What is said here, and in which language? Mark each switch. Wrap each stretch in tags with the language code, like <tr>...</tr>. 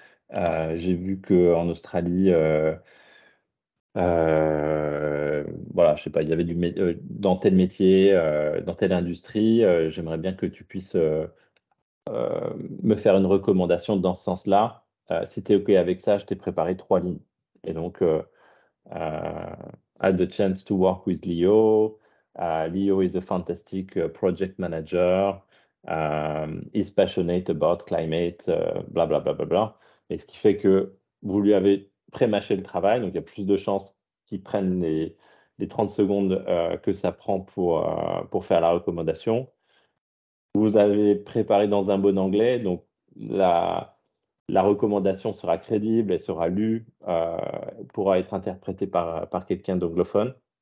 <fr>J'ai vu qu'en Australie, voilà, je sais pas, il y avait dans tel métier, dans telle industrie, j'aimerais bien que tu puisses me faire une recommandation dans ce sens-là. Si tu es OK avec ça, je t'ai préparé 3 lignes. Et donc,</fr> <en>had the chance to work with Leo. Leo is a fantastic project manager. He's passionate about climate, blablabla. Bla, bla, bla, bla.</en> <fr>Et ce qui fait que vous lui avez pré-mâché le travail, donc il y a plus de chances qu'ils prennent les 30 secondes que ça prend pour faire la recommandation. Vous avez préparé dans un bon anglais, donc la recommandation sera crédible, elle sera lue, pourra être interprétée par quelqu'un d'anglophone.</fr>